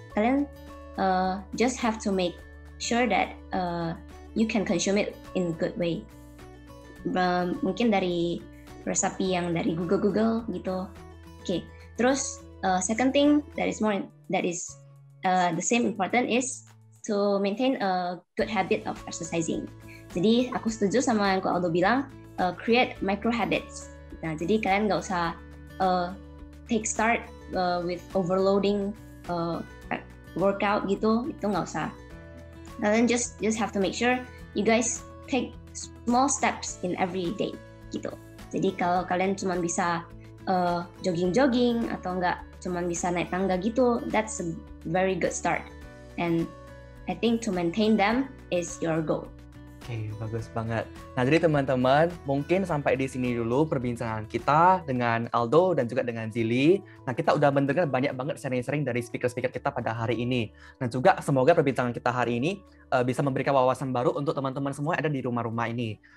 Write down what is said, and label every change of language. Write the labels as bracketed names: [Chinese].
[Indonesian] Kalian [English] just have to make sure that you can consume it in good way. [Indonesian] Mungkin dari resepi yang dari Google gitu. [English] Okay. [Indonesian] Terus [English] second thing that is the same important is to maintain a good habit of exercising. [Indonesian] Jadi aku setuju sama yang Ko Aldo bilang, [English] create micro habits. [Indonesian] Nah, jadi kalian nggak usah [English] take start with overloading workout [Indonesian] gitu, itu nggak usah. Kalian [English] just have to make sure you guys take small steps in every day gitu. [Indonesian] Jadi kalau kalian cuma bisa jogging atau nggak cuma bisa naik tangga gitu, [English] that's a very good start. And I think to maintain them is your goal. [Indonesian] Oke, bagus banget. Nah, jadi teman-teman, mungkin sampai di sini dulu perbincangan kita dengan Aldo dan juga dengan Zili. Nah, kita udah mendengar banyak banget sharing-sharing dari speaker-speaker kita pada hari ini. Nah, juga semoga perbincangan kita hari ini bisa memberikan wawasan baru untuk teman-teman semua yang ada di rumah-rumah ini.